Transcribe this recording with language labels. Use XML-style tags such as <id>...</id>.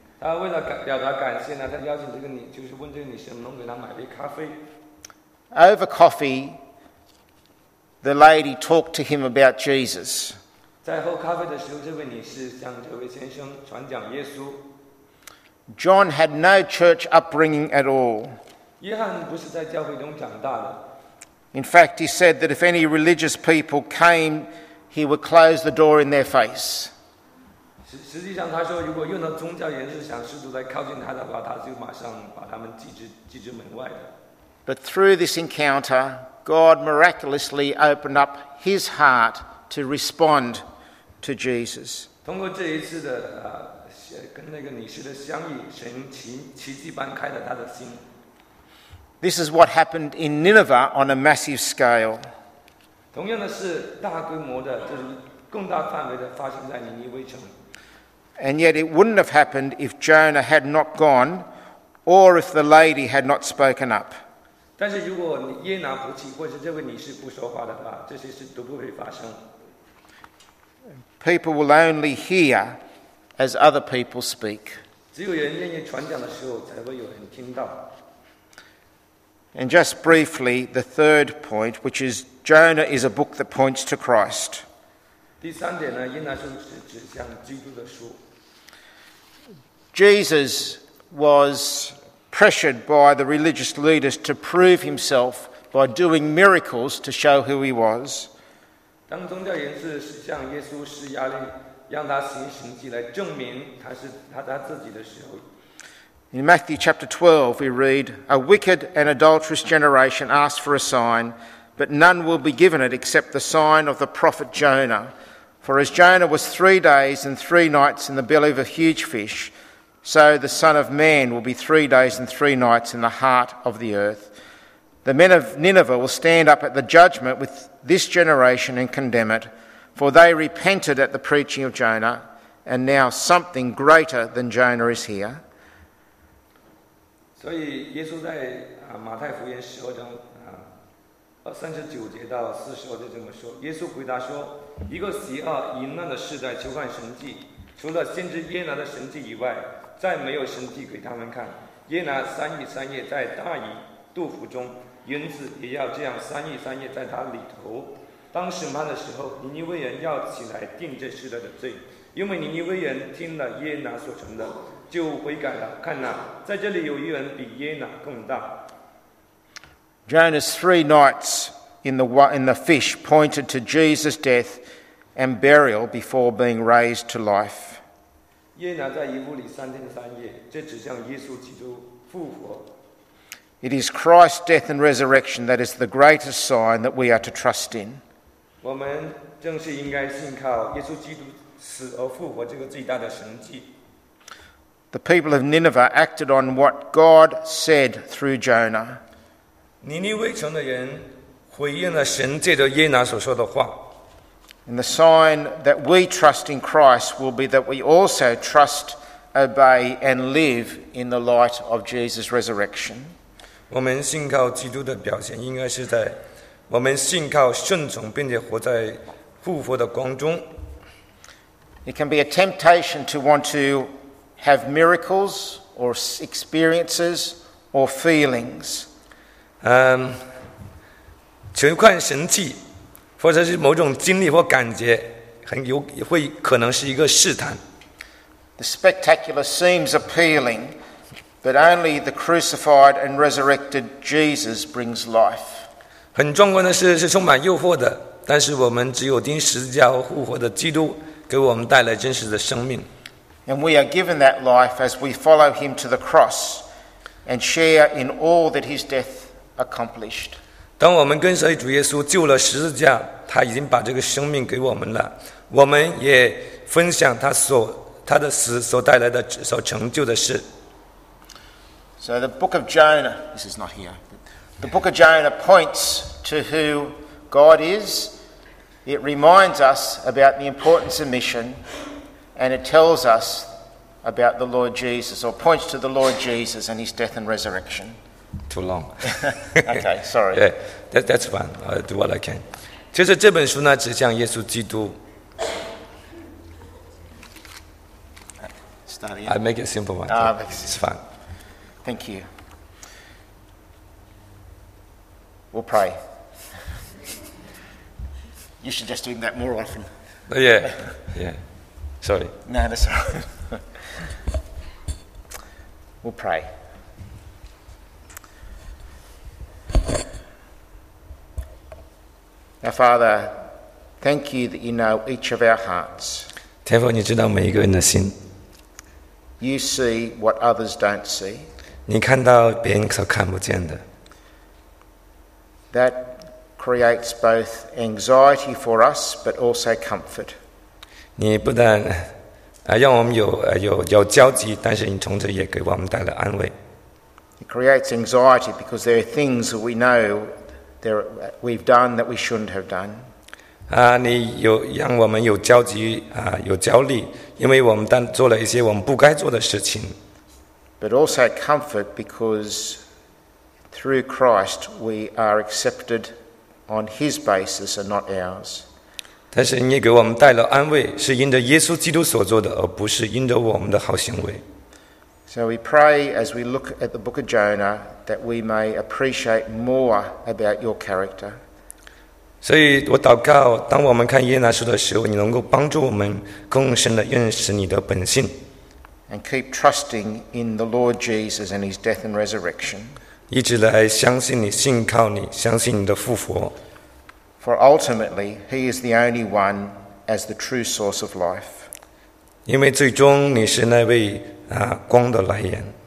<zh>他为了表达感谢呢，他邀请这个女，就是问这个女士能给他买杯咖啡。</zh> <en>Over coffee, the lady talked to him about Jesus.</en> <zh>在喝咖啡的时候，这位女士向这位先生传讲耶稣。</zh> <en>John had no church upbringing at all.</en> <zh>约翰不是在教会中长大的。</zh> <en>In fact, he said that if any religious people came, he would close the door in their face.</en> <zh>实际上他说，如果有那宗教人士想试图来靠近他的话，他就马上把他们拒之门外的。</zh> <en>But through this encounter, God miraculously opened up his heart to respond to Jesus.</en> <zh>通过这一次的跟那个女士的相遇，神奇迹般开了他的心。</zh> <en>This is what happened in Nineveh on a massive scale.</en> <zh>同样的是大规模的，就是更大范围的发生在尼尼微城。</zh> <en>And yet it wouldn't have happened if Jonah had not gone, or if the lady had not spoken up.</en> <zh>但是如果耶拿不去，或是这位女士不说话的话，这些事都不会发生。</zh> <en>People will only hear as other people speak.</en> <zh>只有人愿意传讲的时候，才会有人听到。</zh> <en>And just briefly, the third point, which is Jonah is a book that points to Christ.</en> <zh>第三点呢，应该是指向基督的书。</zh> <en>Jesus was pressured by the religious leaders to prove himself by doing miracles to show who he was.</en> <zh>当宗教人士向耶稣施压力，让他行神迹来证明他自己的时候。</zh> <en>In Matthew chapter 12, we read, A wicked and adulterous generation asks for a sign, but none will be given it except the sign of the prophet Jonah. For as Jonah was 3 days and 3 nights in the belly of a huge fish, so the Son of Man will be 3 days and 3 nights in the heart of the earth. The men of Nineveh will stand up at the judgment with this generation and condemn it, for they repented at the preaching of Jonah, and now something greater than Jonah is here.</en> <zh>所以耶稣在马太福音12章39节到40节就这么说，耶稣回答说，一个邪恶淫乱的世代求看神迹，除了先知耶拿的神迹以外，再没有神迹给他们看。耶拿三日三夜在大鱼肚腹中，人子也要这样三日三夜在他里头。当审判的时候，尼尼微人要起来定这世代的罪，因为尼尼微人听了耶拿所成的就悔改了。看哪，在这里有一人比耶拿更大。</zh> <en>Jonah's 3 nights in the fish pointed to Jesus' death and burial before being raised to life.</en> <zh>耶拿在鱼腹里3天3夜，这指向耶稣基督复活。</zh> <en>It is Christ's death and resurrection that is the greatest sign that we are to trust in.</en> <zh>我们正是应该信靠耶稣基督死而复活这个最大的神迹。</zh> <en>The people of Nineveh acted on what God said through Jonah.</en> <zh>尼尼微城的人回应了神借着耶拿所说的话。</zh> <en>And the sign that we trust in Christ will be that we also trust, obey, and live in the light of Jesus' resurrection.</en> <zh>我们信靠基督的表现应该是在我们信靠顺从，并且活在复活的光中。</zh> <en>It can be a temptation to want to have miracles or experiences or feelings.</en> <zh>求看神迹，或者是某种经历或感觉，很有会可能是一个试探。</zh> <en>The spectacular seems appealing, but only the crucified and resurrected Jesus brings life.</en> <zh>很壮观的事是充满诱惑的，但是我们只有钉十字架和复活的基督给我们带来真实的生命。</zh> <en>And we are given that life as we follow him to the cross and share in all that his death accomplished.</en> <zh>当我们跟随主耶稣救了十字架，他已经把这个生命给我们了，我们也分享他的死所带来的所成就的事。</zh> <en>So the book of Jonah, this is not here. The book of Jonah points to who God is. It reminds us about the importance of mission, and it tells us about the Lord Jesus, or points to the Lord Jesus and his death and resurrection. Too long. Okay, sorry. Yeah, that's fine. I'll do what I can.</en> <zh>其实这本书呢，指向耶稣基督。</zh> <en>Study. I make it simple. One. It's fine. Thank you. We'll pray. You should just do that more often. Yeah. Sorry. No, that's all right. We'll pray. Our Father, thank you that you know each of our hearts.</en> <zh>天父，你知道每一个人的心。</zh> <en>You see what others don't see.</en> <zh>你看到别人所看不见的。</zh> <en>That creates both anxiety for us, but also comfort.</en> <zh>你不但让我们有焦急，但是你同时也给我们带来安慰。</zh> <en>It creates anxiety because there are things that we know that we've done that we shouldn't have done.</en> <zh>你有让我们有焦急有焦虑，因为我们当做了一些我们不该做的事情。</zh> <en>But also comfort because through Christ we are accepted on His basis and not ours.</en> <zh>但是你给我们带了安慰，是因着耶稣基督所做的，而不是因着我们的好行为。</zh> <en>So we pray as we look at the book of Jonah that we may appreciate more about Your character.</en> <zh>所以我祷告，当我们看耶拿书的时候，你能够帮助我们更深的认识你的本性。</zh> <en>And keep trusting in the Lord Jesus and His death and resurrection.</en> <zh>一直来相信你，信靠你，相信你的复活。</zh> <en>For ultimately, He is the only one as the true source of life.</en> <zh>因为最终你是那位光的来源。</zh>